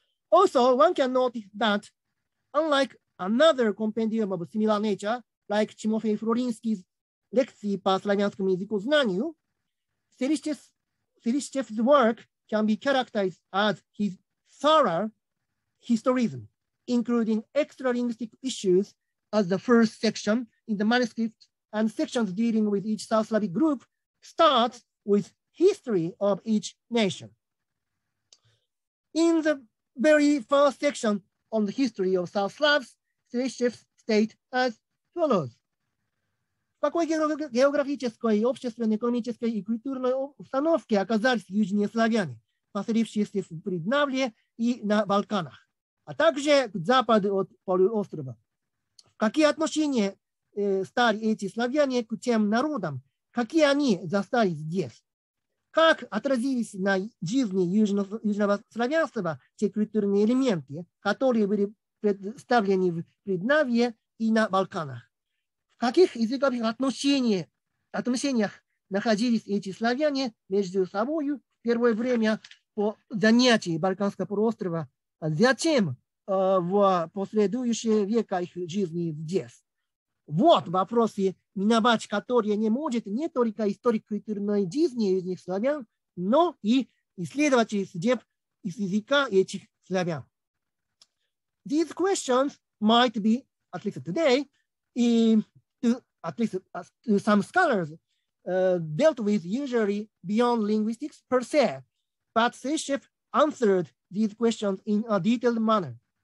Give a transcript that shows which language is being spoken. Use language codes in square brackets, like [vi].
[en] Also, one can note that, unlike another compendium of a similar nature, like Timofey Florinsky's Lekcji po slavjanskom jazykoznaniu, Seliščev's work can be characterized as his thorough historism, including extra linguistic issues as the first section in the manuscript, and sections dealing with each South Slavic group starts with history of each nation. In the very first section on the history of South Slavs, Seliščev state as follows. [ru] Какой географической, общественной, экономической и культурной установке оказались южные славяне, поселившиеся в Приднавле и на Балканах, а также к западу от полуострова? В какие отношения стали эти славяне к тем народам, какие они застали здесь? Как отразились на жизни южного славянства те культурные элементы, которые были представлены в Приднавле и на Балканах? В каких языковых отношениях находились эти славяне между собой в первое время по занятии Балканского полуострова, а затем в последующие века их жизни здесь? Вот вопросы, миновать которые не может не только историк культурной жизни этих славян, но и исследователь судеб из языка этих славян. [en] These questions might be, at least today, to some scholars, dealt with usually beyond linguistics per se, but Seliščev answered these questions in a detailed manner.